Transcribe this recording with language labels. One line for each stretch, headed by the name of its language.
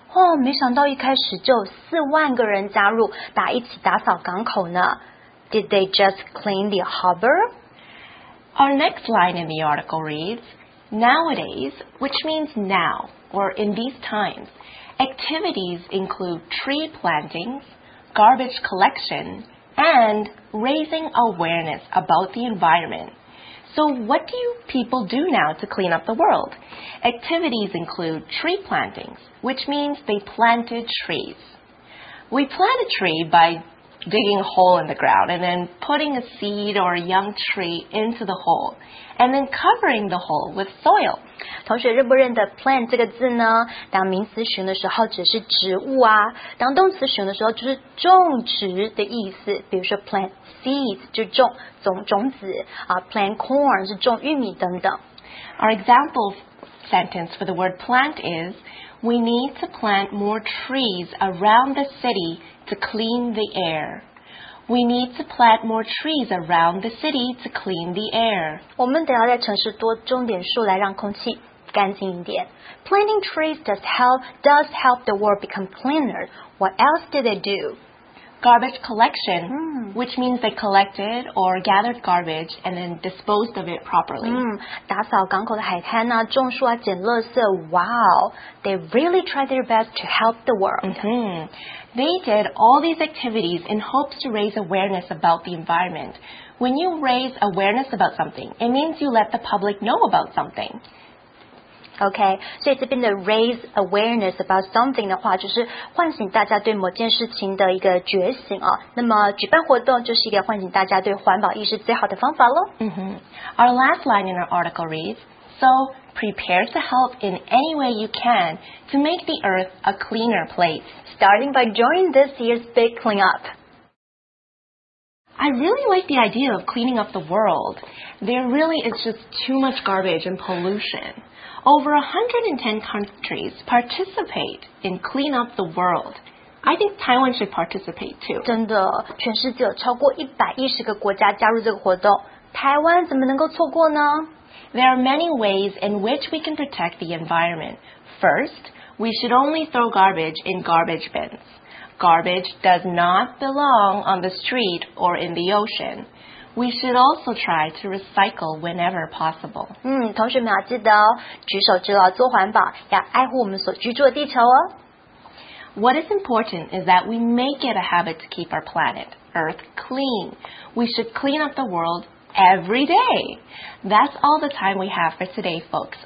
Chinese: 哦，没想到一开始就40,000个人加入，大家一起打扫港口呢。
English: Did they just clean the harbor? Our next line in the article reads, Nowadays, which means now, or in these times, activities include tree plantings, garbage collection, and raising awareness about the environment. So what do you people do now to clean up the world? Activities include tree plantings, which means they planted trees. We plant a tree by... digging a hole in the ground and then putting a seed or a young tree into the hole and then covering the hole with soil.
Chinese: 同学认不认得 plant 这个字呢？当名词使用的时候指的是植物啊，当动词使用的时候就是种植的意思。比如说 plant seeds 就种 种子、plant corn 是种玉米等等。
English: Our example sentence for the word plant is, we need to plant more trees around the cityTo clean the air. We need to plant more trees around the city to clean the air.
Chinese: 我们得要在城市多种点树来让空气干净一点。
English: Planting trees does help the world become cleaner. What else did they do? Garbage collection, which means they collected or gathered garbage and then disposed of it properly.
Chinese: 打扫港口的海滩啊，种树啊，捡垃圾。
English: Wow, they really tried their best to help the world. Mm-hmm. They did all these activities in hopes to raise awareness about the environment. When you raise awareness about something, it means you let the public know about something. Okay, so it's been to raise awareness about something
Chinese: 的话，就是唤醒大家对某件事情的一个觉醒啊。那么举办活动就是一个唤醒大家对环保意识最好的方法咯。
English: Our last line in our article reads, So, prepare to help in any way you can to make the earth a cleaner place. Starting by joining this year's big cleanup. I really like the idea of cleaning up the world. There really is just too much garbage and pollution. Over 110 countries participate in Clean Up the World. I think Taiwan should participate too.
Chinese: 真的，全世界有超过110个国家加入这个活动，台湾怎么能够错过呢？
English: There are many ways in which we can protect the environment. First,We should only throw garbage in garbage bins. Garbage does not belong on the street or in the ocean. We should also try to recycle whenever possible.
Chinese: 同学们要记得哦，举手之劳做环保，要爱护我们所居住的地球哦。
English: What is important is that we make it a habit to keep our planet, Earth, clean. We should clean up the world every day. That's all the time we have for today, folks.